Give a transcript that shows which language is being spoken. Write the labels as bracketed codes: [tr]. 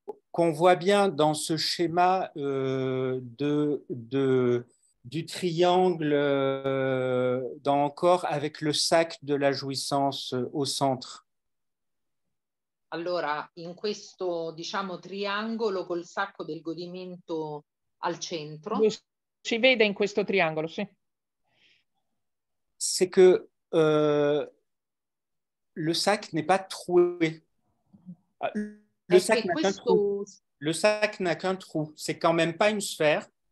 [fr] Qu'on voit bien dans ce schéma du triangle dans encore avec le sac de la jouissance au centre. [it] Allora, in questo, diciamo, triangolo col sacco del godimento al centro. Si vede in questo triangolo, sì. [fr] C'est que le sac n'est pas troué. Le sac n'a qu'un trou, c'est quand même pas une sphère.